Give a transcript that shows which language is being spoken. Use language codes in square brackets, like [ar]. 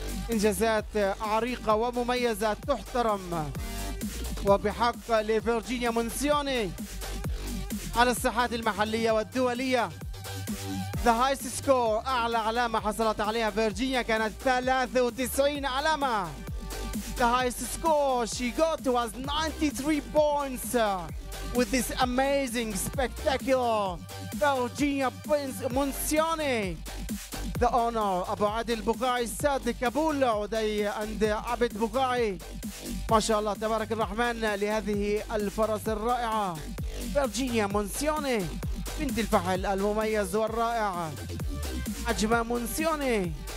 [ar] إنجازات عريقة ومميزة تحترم. وبحق لفيرجينيا مونسيوني على الساحات المحلية والدولية. ذا [en] The highest score, [ar] أعلى علامة حصلت عليها فيرجينيا كانت 93 علامة. [en] The highest score she got was 93 points with this amazing, spectacular Virginia Prince Munzioni. The honor, [ar] أبو عادل بقاعي الساد كابول عدي عند عبد بقاعي. ما شاء الله تبارك الرحمن لهذه الفرس الرائعة. فيرجينيا مونسيوني بنت الفحل المميز والرائع عجمة مونسيوني.